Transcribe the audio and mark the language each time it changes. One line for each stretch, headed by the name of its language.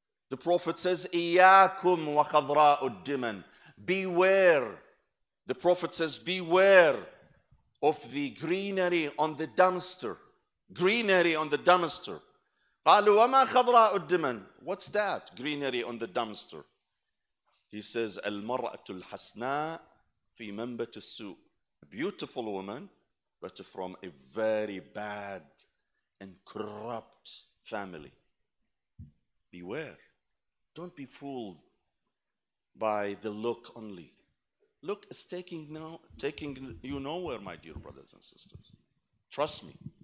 English: The Prophet says,
Arabic: إِيَّاكُمْ وَقَضْرَاءُ الدِّمَنِ.
English: Beware, the Prophet says, beware of the greenery on the dumpster. Greenery on the dumpster.
Arabic: قَالُوا وَمَا خَضْرَاءُ الدِّمَنِ.
English: What's that greenery on the dumpster? He says,
Arabic: "المرأة الحسناء في منبت السوء."
English: A beautiful woman, but from a very bad and corrupt family. Beware. Don't be fooled by the look only. Look is taking you nowhere, my dear brothers and sisters. Trust me.